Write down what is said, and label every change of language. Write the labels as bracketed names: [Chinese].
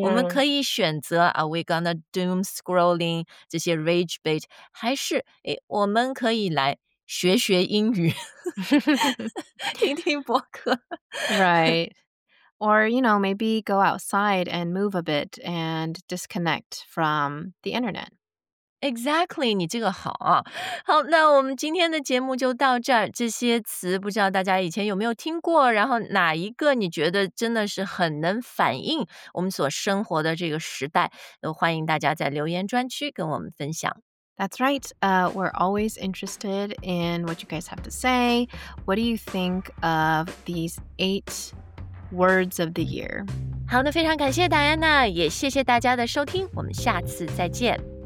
[Chinese] 我们可以选择, [English] are we gonna doom scrolling, [Chinese] 这些 rage bait, 还是, 诶, 我们可以来学学英语, 听听播客, [English] right. Or, you know, maybe go outside and move a bit and disconnect from the internet. [Chinese] Exactly, 你这个好啊。好，那我们今天的节目就到这儿。这些词不知道大家以前有没有听过，然后哪一个你觉得真的是很能反映我们所生活的这个时代，都欢迎大家在留言专区跟我们分享。 [English] That's right. We're always interested in what you guys have to say. What do you think of these 8 words of the year? [Chinese] 好的，非常感谢戴安娜，也谢谢大家的收听。我们下次再见。